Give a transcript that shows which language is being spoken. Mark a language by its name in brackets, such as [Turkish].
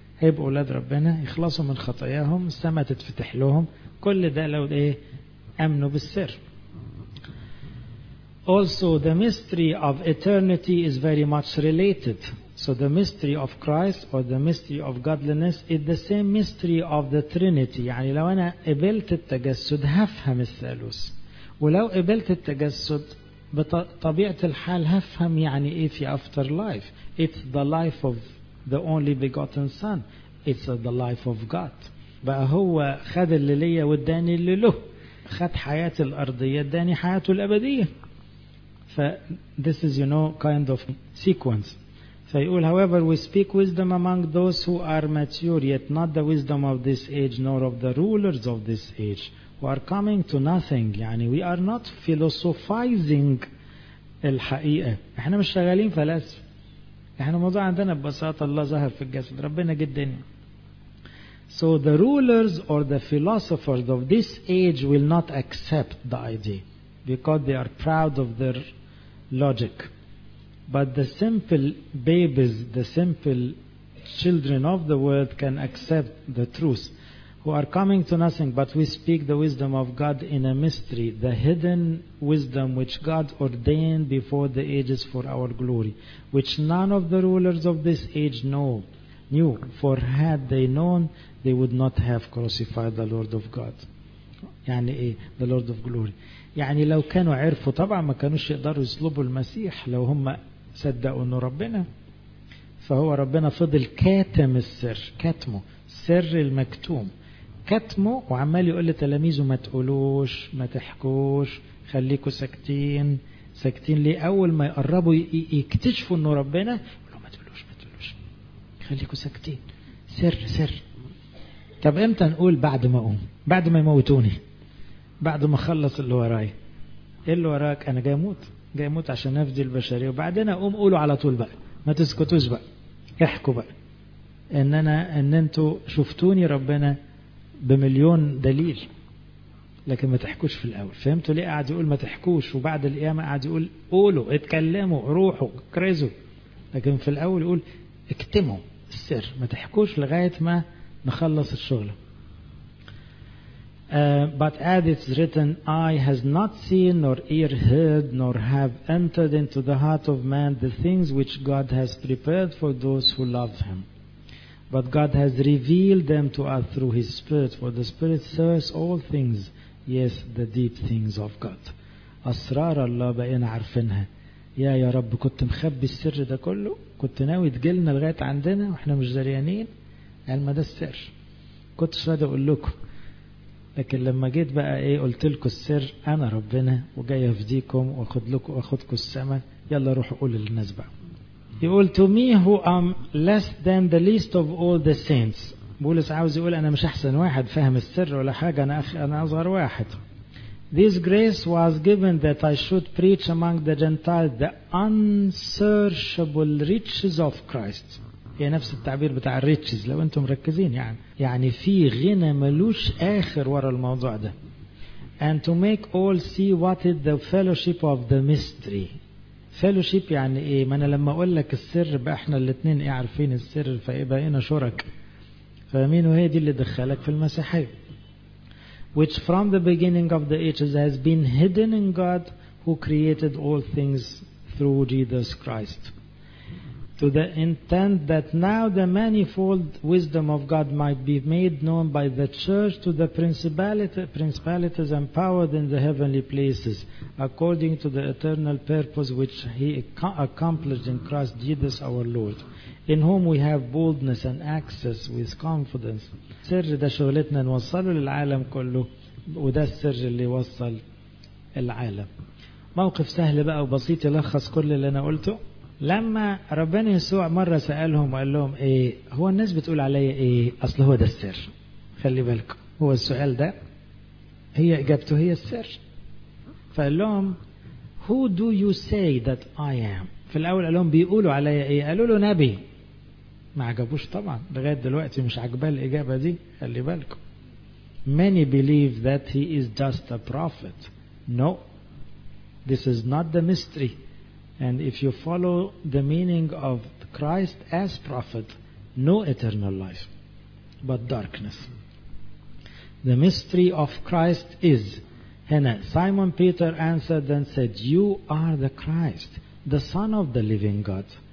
[Arabic] هيبقوا أولاد ربنا، يخلصوا من خطاياهم، السماء تتفتح لهم، كل ده لو إيه أمنوا بالسر. [English] Also the mystery of eternity is very much related. So the mystery of Christ or the mystery of godliness is the same mystery of the Trinity. [Arabic] يعني لو أنا قبلت التجسد هفهم الثالوث، ولو قبلت التجسد بطبيعة الحال هفهم يعني إيه في [English] after life. It's the life of the only begotten son. It's the life of God. [Arabic] بقى هو خد اللي ليا واداني اللي له، خد حياة الأرضية اداني حياته الأبدية. [English] ف this is you know kind of sequence. [Arabic] فيقول [English] however we speak wisdom among those who are mature yet not the wisdom of this age nor of the rulers of this age who are coming to nothing. [Arabic] يعني [English] we are not philosophizing [Arabic] الحقيقة، احنا مش شغالين فلاسفة، احنا موضوع عندنا ببساطة الله ظهر في الجسد ربنا جه الدنيا. [English] So the rulers or the philosophers of this age will not accept the idea because they are proud of their logic. But the simple babies, the simple children of the world can accept the truth who are coming to nothing, but we speak the wisdom of God in a mystery, the hidden wisdom which God ordained before the ages for our glory, which none of the rulers of this age knew, for had they known, they would not have crucified the Lord of God. [Arabic] يعني إيه؟ [English] The Lord of glory. [Arabic] يعني لو كانوا عرفوا طبعا ما كانوش يقدروا يصلبوا المسيح لو هم صدقوا أنه ربنا. فهو ربنا فضل كاتم السر، كاتمه سر المكتوم، كتمه وعمال يقول لتلاميذه ما تقولوش ما تحكوش خليكوا ساكتين ساكتين. ليه؟ أول ما يقربوا يكتشفوا أنه ربنا يقولوا ما تقولوش ما تقولوش خليكوا ساكتين، سر سر. طب امتى نقول؟ بعد ما أقوم، بعد ما يموتوني، بعد ما خلص اللي وراي. ايه اللي وراك؟ أنا جاي موت، جاي موت عشان أفدي البشرية، وبعدين أقوم. قولوا على طول بقى، ما تسكتوش بقى، احكوا بقى أن أنتوا شفتوني ربنا بمليون دليل، لكن ما تحكوش في الأول. فهمتوا ليه قاعد يقول ما تحكوش؟ وبعد القيامة قاعد يقول قولوا، اتكلموا، روحوا كريزوا، لكن في الأول يقول اكتموا السر، ما تحكوش لغاية ما نخلص الشغل. [English] But as it's written, eye has not seen nor ear heard nor have entered into the heart of man the things which God has prepared for those who love him. But God has revealed them to us through His Spirit. For the Spirit searches all things, yes, the deep things of God. [Arabic] أسرار الله بقينا عارفينها. يا رب كنت مخبي السر ده كله، كنت ناوي تجيلنا لغاية عندنا وإحنا مش دريانين، علما ده السر. كنت شاد أقول لكم، لكن لما جيت بقى إيه قلت لكم السر، أنا ربنا وجاي أفديكم وأخد لكم وأخدكم السماء. يلا روحوا قولوا للناس بقى. يقول [English] to me who am less than the least of all the saints. [Arabic] بولس عاوز يقول أنا مش أحسن واحد فهم السر ولا حاجة، أنا أصغر واحد. [English] This grace was given that I should preach among the Gentiles the unsearchable riches of Christ. [Arabic] هي نفس التعبير بتاع الريتشز لو أنتم مركزين، يعني في غنى ملوش آخر وراء الموضوع ده. [English] And to make all see what is the fellowship of the mystery. [Arabic] فيلوشيب يعني ايه؟ ما انا لما اقول لك السر بقى احنا الاثنين ايه عارفين السر، فيبقى هنا شرك فاهمين، وهي دي اللي دخلك في المسيحيه. [English] Which from the beginning of the ages has been hidden in God who created all things through Jesus Christ to the intent that now the manifold wisdom of God might be made known by the church to the principalities empowered in the heavenly places according to the eternal purpose which he accomplished in Christ Jesus our Lord in whom we have boldness and access with confidence. [Arabic] سر ده شغلتنا نوصله للعالم كله، وده السر اللي وصل العالم. موقف سهل بقى وبسيط يلخص كل اللي انا قلته. لما ربنا يسوع مرة سألهم وقال لهم ايه هو الناس بتقول علي ايه؟ أصل هو ده السر. خلي بالكم، هو السؤال ده هي إجابته هي السر. فقال لهم [English] who do you say that I am. [Arabic] في الأول قال لهم بيقولوا علي ايه؟ قالوا له نبي. ما عجبوش طبعا، لغاية دلوقتي مش عجبال الإجابة دي. خلي بالكم، [English] many believe that he is just a prophet. No, this is not the mystery. And if you follow the meaning of Christ as prophet, no eternal life, but darkness. The mystery of Christ is, and Simon Peter answered and said, "You are the Christ, the Son of the living God."